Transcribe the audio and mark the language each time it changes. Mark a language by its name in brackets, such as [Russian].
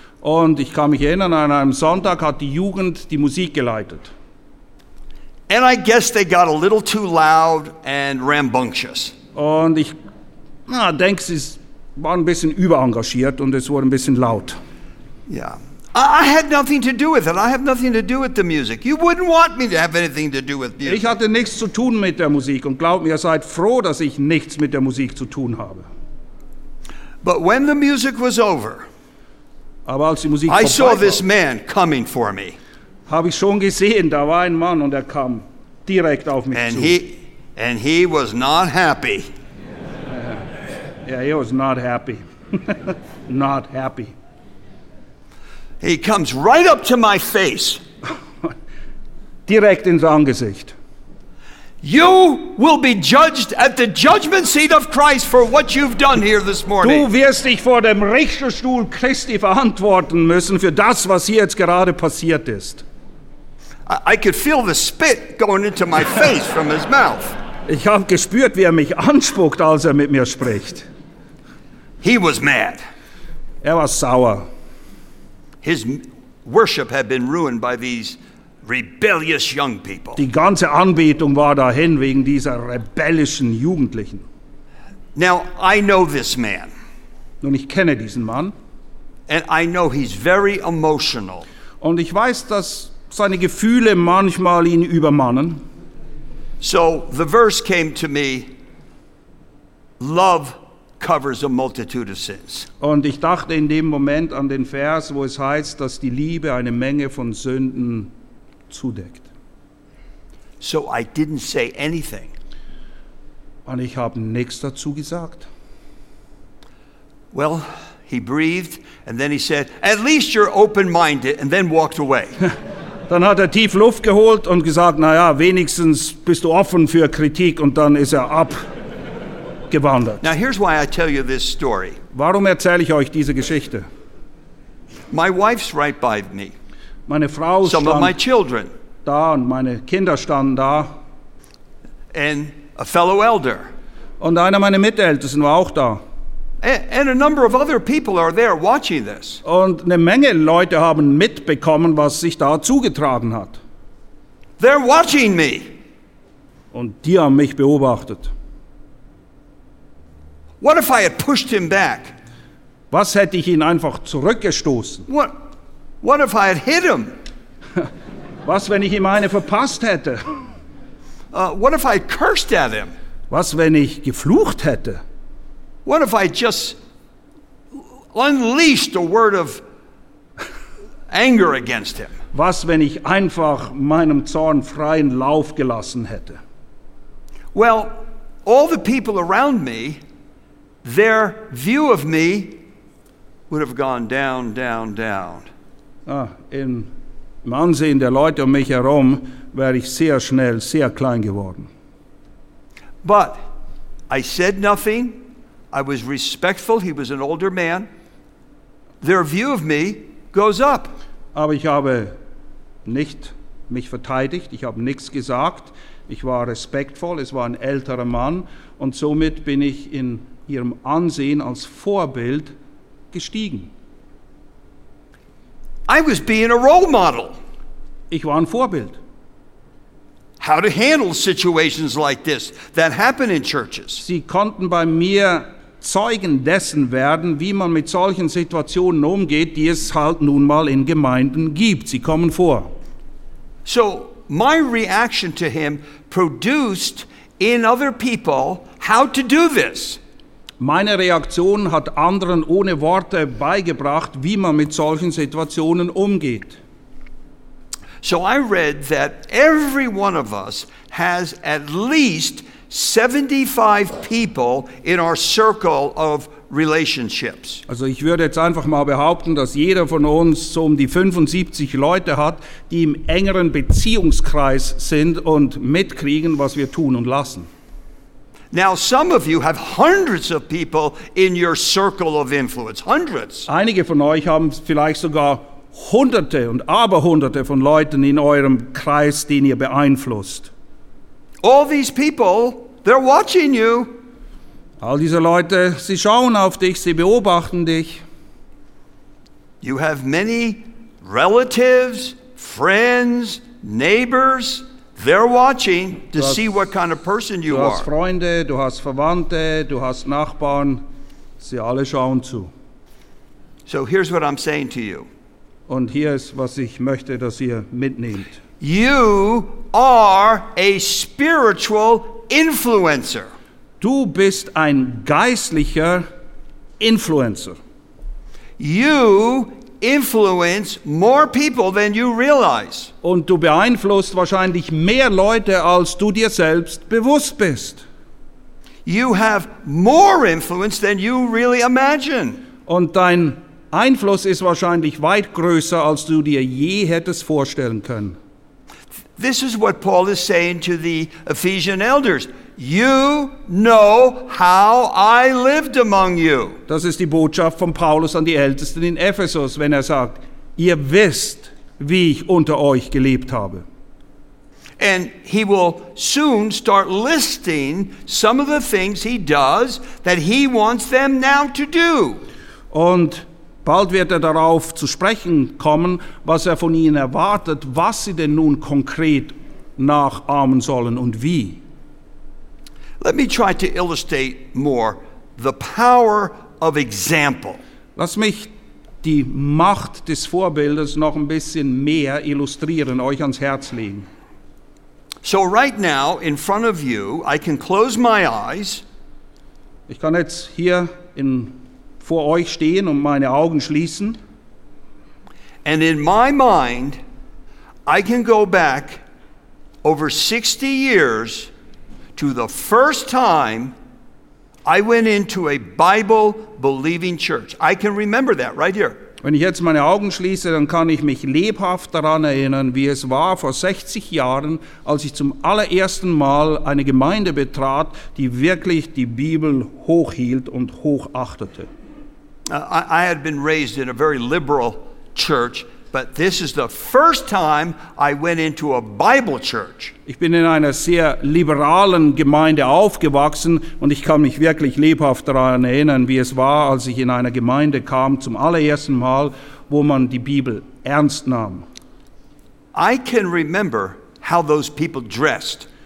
[German] Und ich kann mich erinnern, an einem Sonntag hat die Jugend die Musik geleitet. [English] And I guess they got a little too loud and rambunctious. [German] Und ich denke, sie waren ein bisschen überengagiert und es wurde ein bisschen laut. [English] Yeah. I had nothing to do with it. I have nothing to do with the music. You wouldn't want me to have anything to do with music. [German] Ich hatte nichts zu tun mit der Musik und glaub mir, seid froh, dass ich nichts mit der Musik zu tun habe. [English] But when the music was over, [German] aber als die Musik [English] I saw war, this man coming for me. [German] Habe ich schon gesehen, da war ein Mann und kam direkt auf mich [English] and [German] zu. [English] He was not happy. Yeah, he was not happy. Not happy. He comes right up to my face. [German] Direkt ins Angesicht. [English] You will be judged at the judgment seat of Christ for what you've done here this morning. [German] Du wirst dich vor dem Richterstuhl Christi verantworten müssen für das, was hier jetzt gerade passiert ist. [English] I could feel the spit going into my face from his mouth. [German] Ich habe gespürt, wie mich anspuckt, als mit mir spricht. [English] He was mad. [German] War sauer. [English] His worship had been ruined by these rebellious young people. [German] Die ganze Anbetung war dahin wegen dieser rebellischen Jugendlichen. [English] Now I know this man. [German] Nun ich kenne diesen Mann. [English] And I know he's very emotional. [German] Und ich weiß, dass seine Gefühle manchmal ihn übermannen. [English] So the verse came to me. Love covers a multitude of sins. [German] Und ich dachte in dem Moment an den Vers, wo es heißt, dass die Liebe eine Menge von Sünden zudeckt. [English] So I didn't say anything. [German] Und ich habe nichts dazu gesagt. [English] Well, he breathed and then he said, "At least you're open-minded," and then walked away. [German] Dann hat tief Luft geholt und gesagt, na ja, wenigstens bist du offen für Kritik, und dann ist abgewandert. [English] Now here's why I tell you this story. [German] Warum erzähle ich euch diese Geschichte? [English] My wife's right by me. [German] Meine Frau [English] Some [German] stand [English] of my children. [German] Da und meine Kinder standen da. [English] And a fellow elder. [German] Und einer meiner Mitältesten war auch da. [English] And a number of other people are there watching this. [German] Und eine Menge Leute haben mitbekommen, was sich da zugetragen hat. [English] They're watching me. [German] Und die haben mich beobachtet. [English] What if I had pushed him back? [German] Was hätte ich ihn einfach zurückgestoßen? [English] What if I had hit him? [German] Was, wenn ich ihm eine verpasst hätte? [English] What if I cursed at him? [German] Was, wenn ich geflucht hätte? [English] What if I just unleashed a word of anger against him? [German] Was, wenn ich einfach meinem Zorn freien Lauf gelassen hätte? [English] Well, all the people around me, their view of me would have gone down, down, down. [German] Ah, im Ansehen der Leute um mich herum wäre ich sehr schnell sehr klein geworden. [English] But I said nothing. I was respectful. He was an older man. Their view of me goes up. [German] Aber ich habe nicht mich verteidigt. Ich habe nichts gesagt. Ich war respektvoll. Es war ein älterer Mann. Und somit bin ich in ihrem Ansehen als Vorbild gestiegen. [English] I was being a role model. [German] Ich war ein Vorbild. [English] How to handle situations like this that happen in churches. [German] Sie konnten bei mir Zeugen dessen werden, wie man mit solchen Situationen umgeht, die es halt nun mal in Gemeinden gibt. Sie kommen vor. [English] So, my reaction to him produced in other people how to do this. [German] Meine Reaktion hat anderen ohne Worte beigebracht, wie man mit solchen Situationen umgeht. [English] So, I read that every one of us has at least 75 people in our circle of relationships. [German] Also ich würde jetzt einfach mal behaupten, dass jeder von uns so die 75 Leute hat, die im engeren Beziehungskreis sind und mitkriegen, was wir tun und lassen. [English] Now some of you have hundreds of people in your circle of influence, hundreds. [German] Einige von euch haben vielleicht sogar hunderte und aberhunderte von Leuten in eurem Kreis, den ihr beeinflusst. [English] All these people, they're watching you. [German] All diese Leute, sie schauen auf dich, sie beobachten dich. [English] You have many relatives, friends, neighbors, they're watching to see what kind of person you are. [German] Du hast Freunde, du hast Verwandte, du hast Nachbarn, sie alle schauen zu. [English] So here's what I'm saying to you. [German] Und hier ist, was ich möchte, dass ihr mitnehmt. [English] You are a spiritual influencer. [German] Du bist ein geistlicher influencer. [English] You influence more people than you realize. [German] Und du beeinflusst wahrscheinlich mehr Leute, als du dir selbst bewusst bist. [English] You have more influence than you really imagine. [German] Und dein Einfluss ist wahrscheinlich weit größer, als du dir je hättest vorstellen können. [English] This is what Paul is saying to the Ephesian elders. You know how I lived among you. [German] Das ist die Botschaft von Paulus an die Ältesten in Ephesus, wenn er sagt, ihr wisst, wie ich unter euch gelebt habe. [English] And he will soon start listing some of the things he does that he wants them now to do. [German] Und bald wird er darauf zu sprechen kommen, was er von ihnen erwartet, was sie denn nun konkret nachahmen sollen und wie. [English] Let me try to illustrate more the power of example. [German] Lass mich die Macht des Vorbildes noch ein bisschen mehr illustrieren, euch ans Herz legen. [English] So right now, in front of you, I can close my eyes. [German] Ich kann jetzt hier vor euch stehen und meine Augen schließen. [English] And in my mind, I can go back over 60 years to the first time I went into a Bible-believing church. I can remember that right here. [German] Wenn ich jetzt meine Augen schließe, dann kann ich mich lebhaft daran erinnern, wie es war vor 60 Jahren, als ich zum allerersten Mal eine Gemeinde betrat, die wirklich die Bibel hochhielt und hochachtete. [English] I had been raised in a very liberal church, but this is the first time I went into a Bible church. [German] Ich bin in einer sehr liberalen Gemeinde aufgewachsen und ich kann mich wirklich lebhaft daran erinnern, wie es war, als ich in einer Gemeinde kam zum allerersten Mal, wo man die Bibel ernst nahm. [English] I can remember how those people dressed.